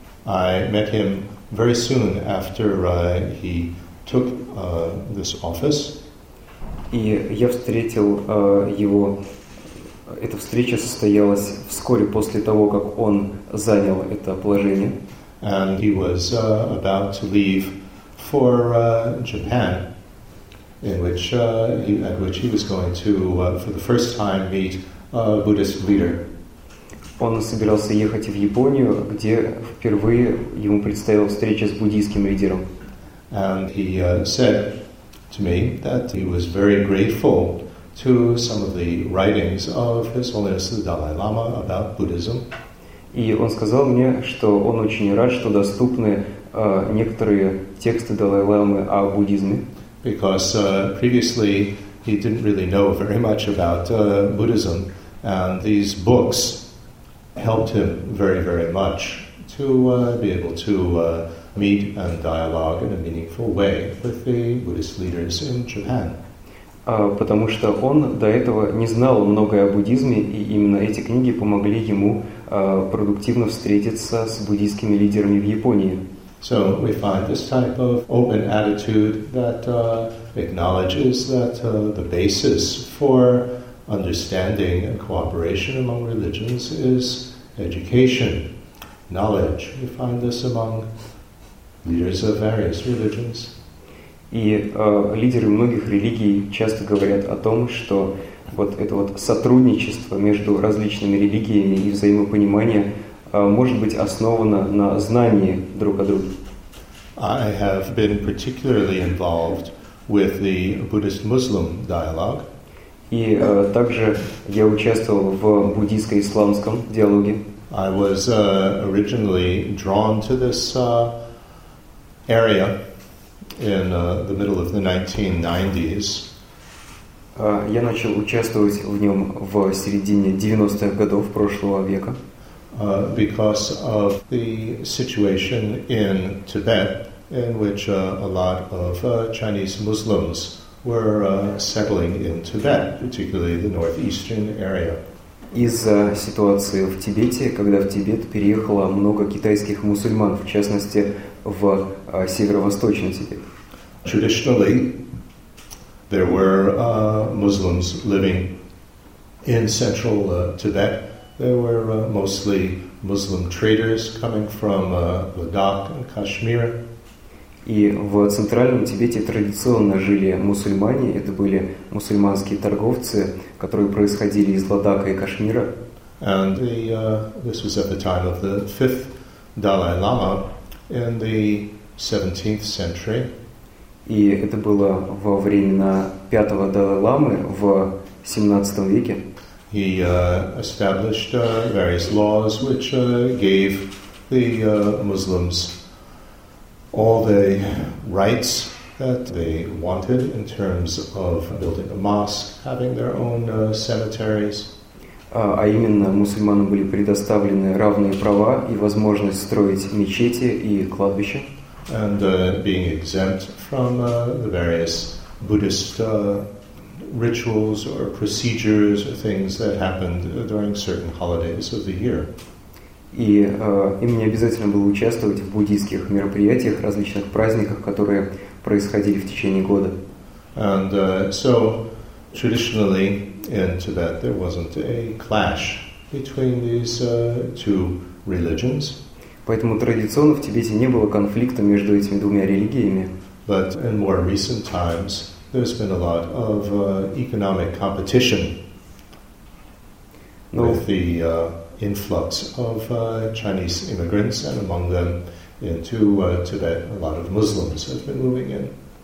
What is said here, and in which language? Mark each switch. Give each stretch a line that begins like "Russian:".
English: I met him very soon after he took this office.
Russian: И я встретил его. Эта встреча состоялась вскоре после того, как он занял это положение.
English: And he was about to leave for Japan, in which at which he was going to for the first time meet a Buddhist leader.
Russian: Он собирался ехать в Японию, где впервые ему предстояла встреча с буддийским лидером.
English: And he said to me that he was very grateful to some of the writings of His Holiness the Dalai Lama about Buddhism.
Russian: И он сказал мне, что он очень рад, что доступны некоторые тексты Далай-ламы о буддизме.
English: Because previously he didn't really know very much about Buddhism, and these books helped him very, very much to be able to meet and dialogue in a meaningful way with the Buddhist leaders in Japan.
Russian: Потому что он до этого не знал многое о буддизме, и именно эти книги помогли ему продуктивно встретиться с буддийскими лидерами в Японии.
English: So we find this type of open attitude that acknowledges that the basis for understanding and cooperation among religions is education, knowledge. We find this among leaders of various religions.
Russian: И лидеры многих религий часто говорят о том, что вот это вот сотрудничество между различными религиями и взаимопонимание может быть основано на знании друг о друге.
English: I have been particularly involved with the Buddhist-Muslim dialogue.
Russian: И также я участвовал в буддийско-исламском диалоге.
English: I was originally drawn to this area in the middle of the 1990s.
Russian: Я начал участвовать в нем в середине 90-х годов прошлого века.
English: Because of the situation in Tibet, in which a lot of Chinese Muslims were settling in Tibet, particularly the northeastern area.
Russian: Из-за ситуации в Тибете, когда в Тибет переехало много китайских мусульман, в частности, в северо-восточный Тибет.
English: Traditionally, there were Muslims living in central Tibet. There were mostly Muslim traders coming from Ladakh and Kashmir.
Russian: И в центральном Тибете традиционно жили мусульмане. Это были мусульманские торговцы, которые происходили из Ладака и Кашмира.
English: And the, this was at the time of the fifth Dalai Lama in the 17th century.
Russian: И это было во времена пятого Далай Ламы в 17 веке.
English: He established various laws which gave the Muslims all the rights that they wanted in terms of building a mosque, having their own cemeteries.
Russian: А именно, мусульманам были предоставлены равные права и возможность строить мечети и кладбища.
English: And being exempt from the various Buddhist rituals or procedures or things that happened during certain holidays of the year.
Russian: И им не обязательно было участвовать в буддийских мероприятиях, различных праздниках, которые происходили в течение года.
English: And so, traditionally, in Tibet, there wasn't a clash between these two religions.
Russian: Поэтому традиционно в Тибете не было конфликта между этими двумя религиями.
English: But in more recent times, there's been a lot of economic competition with the influx of Chinese immigrants, and among them into Tibet, a lot of Muslims have been moving in.